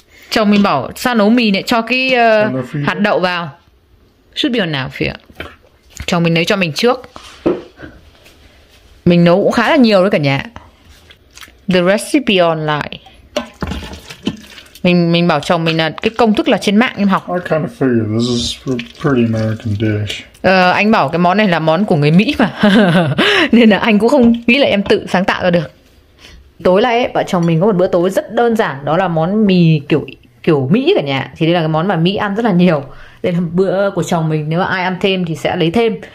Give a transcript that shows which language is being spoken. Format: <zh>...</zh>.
<vi>Chồng mình bảo sao nấu mì lại cho cái hạt đậu vào.</vi> <en>Should be enough, yeah.</en> <vi>Chồng mình lấy cho mình trước. Mình nấu cũng khá là nhiều đấy cả nhà.</vi> <en>The recipe online.</en> <vi>Mình bảo chồng mình là cái công thức là trên mạng em học.</vi> <en>I kind of figured this is a pretty American dish.</en> <vi>Anh bảo cái món này là món của người Mỹ mà. Nên là anh cũng không nghĩ là em tự sáng tạo ra được. Tối nay ấy, vợ chồng mình có một bữa tối rất đơn giản. Đó là món mì kiểu Mỹ cả nhà. Thì đây là cái món mà Mỹ ăn rất là nhiều. Đây là bữa của chồng mình, nếu mà ai ăn thêm thì sẽ lấy thêm.</vi>